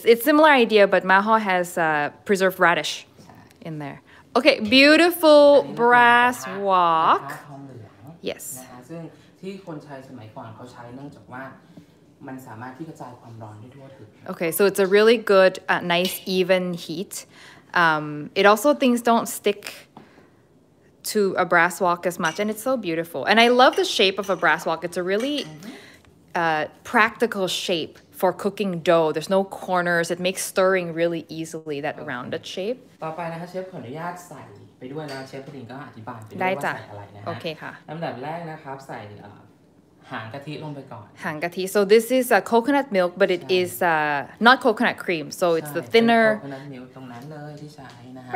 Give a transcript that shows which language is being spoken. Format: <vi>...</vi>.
<en>It's similar idea, but maha has preserved radish in there. Okay, beautiful brass wok. Yes.</en> <th>ซึ่งที่คนใช้สมัยก่อนเขาใช้เนื่องจากว่ามันสามารถที่กระจายความร้อนได้ทั่วถึง</th> <en>Okay, so it's a really good, nice, even heat. It also things don't stick to a brass wok as much, and it's so beautiful. And I love the shape of a brass wok. It's a really practical shape. For cooking dough, there's no corners. It makes stirring really easily. That okay. rounded shape.</en> <th>ต่อไปนะคะเชฟขออนุญาตใส่ไปด้วยนะเชฟพลินก็อธิบายไปด้วยว่าใส่อะไรนะคะ โอเคค่ะ ลำดับแรกนะครับใส่หางกะทิลงไปก่อน</th> <en>หางกะทิ so this is a coconut milk but it is not coconut cream so it's the thinner</en> <th>coconut milk ตรงนั้นเลยที่ใช้นะฮะ</th>